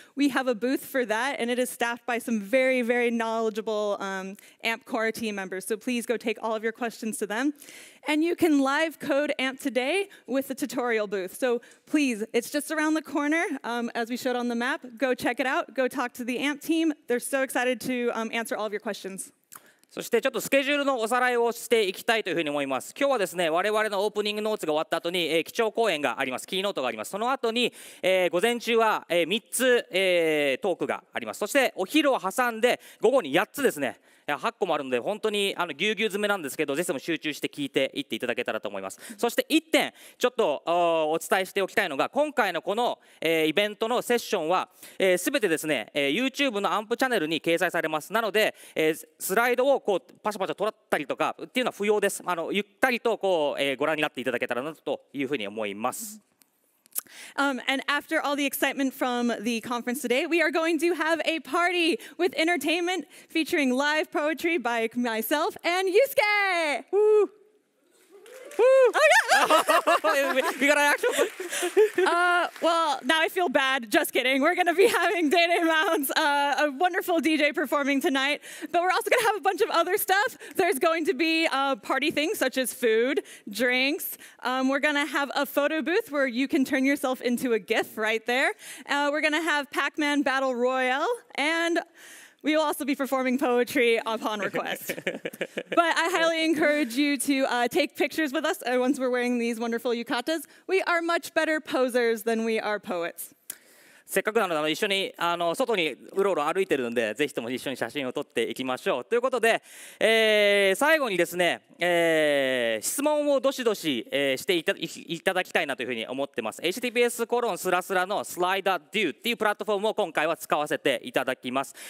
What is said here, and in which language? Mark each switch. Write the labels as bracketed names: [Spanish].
[English] We have a booth for that, and it is staffed by some very, very knowledgeable AMP Core team members. So please go take all of your questions to them. And you can live code AMP today with the tutorial booth. So please, it's just around the corner, as we showed on the map. Go check it out. Go talk to the AMP team. They're so excited to answer all of your questions. [Japanese] そしてちょっとスケジュールのおさらいをしていきたいというふうに思います。今日はですね、我々のオープニングノーツが終わった後に、基調講演があります。キーノートがあります。その後に、午前中は、3つ、トークがあります。そしてお昼を挟んで午後に8つですね、8個もあるので本当にぎゅうぎゅう詰めなんですけど、ぜひも集中して聞いていっていただけたらと思います。そして1点ちょっと お伝えしておきたいのが、今回のこの、イベントのセッションは、全てですね、YouTube のアンプチャンネルに掲載されます。なので、スライドをこうパシャパシャ撮ったりとかっていうのは不要です。ゆったりとこう、ご覧になっていただけたらなというふうに思います。 [English] And after all the excitement from the conference today, we are going to have a party with entertainment featuring live poetry by myself and Yusuke! Woo! Woo! Oh, yeah! We got an actual Well, now I feel bad. Just kidding. We're going to be having Day Day Mounds, a wonderful DJ performing tonight. But we're also going to have a bunch of other stuff. There's going to be party things such as food, drinks. We're going to have a photo booth where you can turn yourself into a GIF right there. We're going to have Pac-Man Battle Royale. And we will also be performing poetry upon request. But I highly encourage you to take pictures with us once we're wearing these wonderful yukatas. We are much better posers than we are poets. [Japanese] せっかくなので一緒に外にうろうろ歩いてるんで、ぜひとも一緒に写真を撮っていきましょう。ということで、最後にですね、質問をどしどし、していただきたいなというふうに思ってます。 https://のスライダーデューっていうプラットフォームを今回は使わせていただきます。